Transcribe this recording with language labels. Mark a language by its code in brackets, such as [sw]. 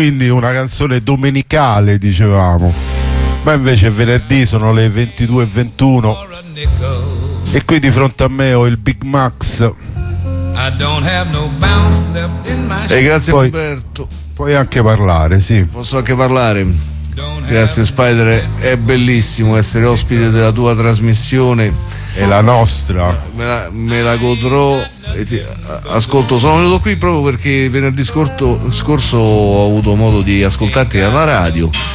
[it] una canzone domenicale, dicevamo. Ma invece è venerdì, sono le 22:21. E qui di fronte a me ho il Big Max. [en] I don't have no bounce left in my show. [it] E grazie, poi, [en] Umberto. [it] Puoi anche parlare, sì. Posso anche parlare. Grazie Spider, è bellissimo essere ospite della tua trasmissione. È la nostra. Me la godrò. E ti, ascolto, sono venuto qui proprio perché venerdì scorso ho avuto modo di ascoltarti alla radio.